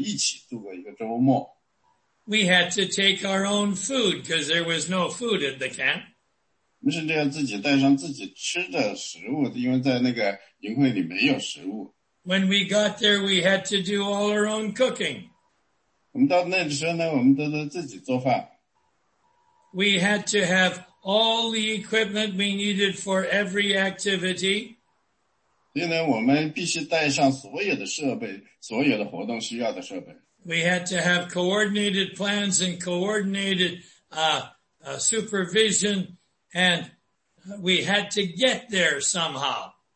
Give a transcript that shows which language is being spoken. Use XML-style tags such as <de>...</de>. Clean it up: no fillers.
<zh>所以我们所有的人都可以带上自己的床上用品，带上自己的衣服。所以我们所有的人都要在那里一起度过一个周末。We</zh> <en>had to take our own food because there was no food at the camp.</en> <zh>我们甚至要自己带上自己吃的食物，因为在那个营会里没有食物。When</zh> <en>we got there, we had to do all our own cooking.</en> <zh>我们到那时候呢，我们都自己做饭。We</zh> <en>had to have all the equipment we needed for every activity.</en> <zh>所以呢，我们必须带上所有的设备，所有的活动需要的设备。We</zh> <en>had to have coordinated plans and coordinated supervision, and we had to get there somehow.</en>